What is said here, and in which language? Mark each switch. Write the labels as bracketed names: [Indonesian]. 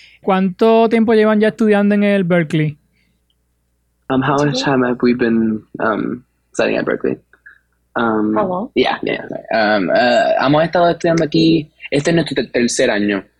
[Spanish] ¿Cuánto tiempo llevan ya estudiando en el Berkeley? [English] How much time have we been studying at Berkeley? [Spanish] Hemos estado estudiando aquí, este es nuestro tercer año.